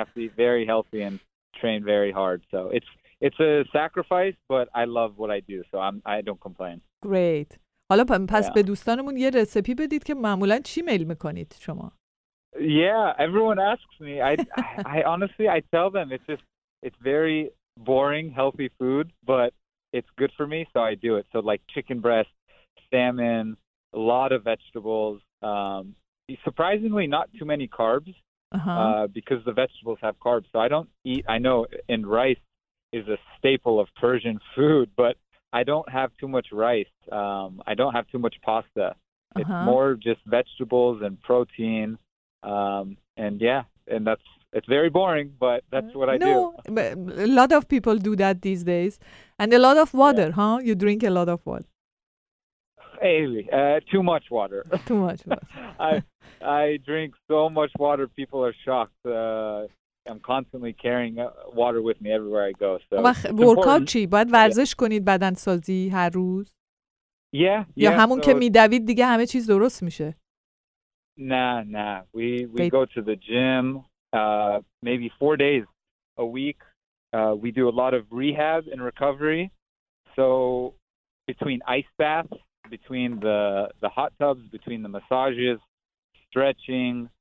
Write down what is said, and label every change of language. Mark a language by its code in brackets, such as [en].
[en] I have to eat very healthy and train very hard. So it's a sacrifice, but I love what I do, so I don't complain. Great. [fa] حالا پس به دوستانمون یه رسپی بدید که معمولاً چی میل میکنید شما؟ [en] Yeah, everyone asks me. I honestly tell them it's very boring, healthy food, but it's good for me, so I do it. So like chicken breast, salmon, a lot of vegetables. Surprisingly, not too many carbs, because the vegetables have carbs. So I don't eat. I know and rice is a staple of Persian food, but I don't have too much rice. I don't have too much pasta. It's more just vegetables and protein. It's very boring, but that's what I do. No, a lot of people do that these days. And a lot of water, huh? You drink a lot of water. Hey, too much water. Too much water. I drink so much water, people are shocked. I'm constantly carrying water with me everywhere I go. So [fa] ورکاوت چی؟ باید ورزش کنید بدن سازی هر روز؟ [en] Yeah. [fa] یا همون که میدوید دیگه همه چیز درست میشه. [en] Nah. We go to the gym maybe 4 days a week. We do a lot of rehab and recovery. So between ice baths, between the hot tubs, between the massages, stretching,